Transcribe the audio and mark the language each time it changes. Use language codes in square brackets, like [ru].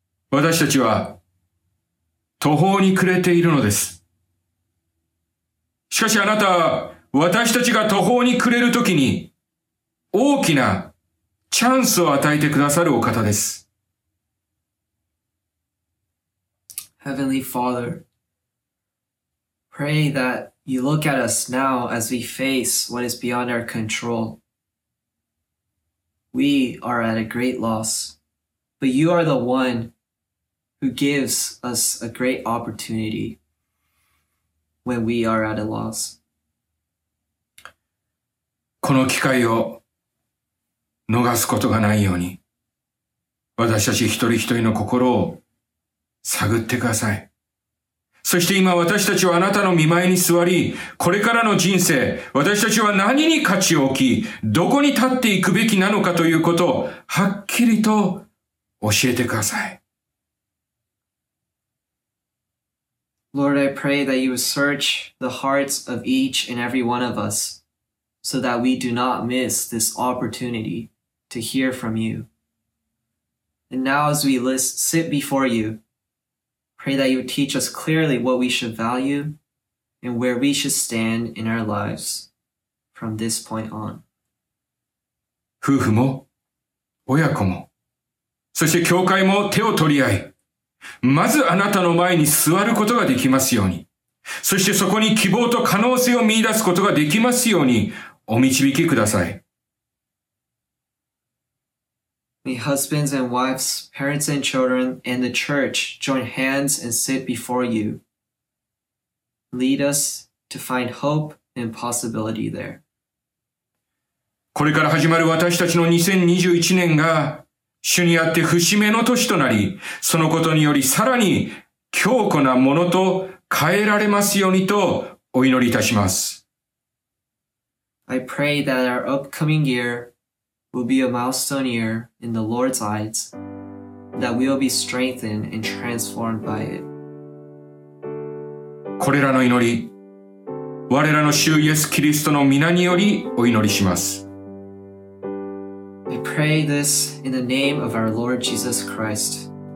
[ja] 私たちは途方に暮れているのです。しかしあなたは私たちが途方に暮れるときに大きなチャンスを与えてくださるお方です。 [en] Heavenly Father, pray that you look at us now as we face what is beyond our control. We are at a great loss, but you are the one who gives us a great opportunity. when we are at a loss. [ja] この機会を逃すことがないように、私たち一人一人の心を探ってください。そして今私たちはあなたの御前に座り、これからの人生、私たちは何に価値を置き、どこに立っていくべきなのかということをはっきりと教えてください。 [en] Lord, I pray that you search the hearts of each and every one of us so that we do not miss this opportunity to hear from you. And now as we sit before you, pray that you teach us clearly what we should value and where we should stand in our lives from this point on. [ja] 夫婦も親子も、そして教会も手を取り合い、まずあなたの前に座ることができますように、そしてそこに希望と可能性を見出すことができますようにお導きください。 [en] May husbands and wives, parents and children, and the church join hands and sit before you. Lead us to find hope and possibility there. [ja] これから始まる私たちの2021年が主にあって節目の年となり、そのことによりさらに強固なものと変えられますようにとお祈りいたします。 [en] I pray that our upcoming year will be a milestone year in the Lord's eyes, that we will be strengthened and transformed by it. [ja] これらの祈り、我らの主イエス・キリストの御名によりお祈りします。 [en] I pray this in the name of our Lord Jesus Christ.